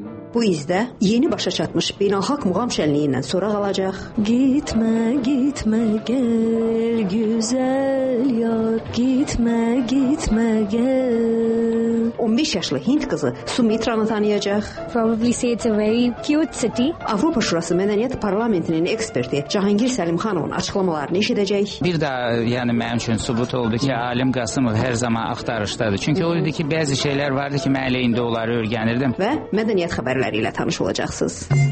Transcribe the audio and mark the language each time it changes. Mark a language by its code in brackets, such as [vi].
[az] Bu izdə yeni başa çatmış beynəlxalq muğam şənliyindən sonra qalacaq. Gitmə, gitmə, gəl, gözəl yar. Gitmə, gitmə, gəl. 15 yaşlı Hind qızı Sumitranı tanıyacaq. [en] Probably say it's a very cute city. [az] Avropa Şurası Mədəniyyət Parlamentinin eksperti Cahangir Səlimxanovun açıqlamalarını eşidəcək. Bir də, yəni mənim üçün sübut oldu ki, Alim Qasımov hər zaman axtarışdadır. Çünki o idi ki, bəzi şeylər vardı ki, mən elə indi onları öyrənirdim. Və mədəniyyət xəbəri. Ilə tanış olacaqsınız.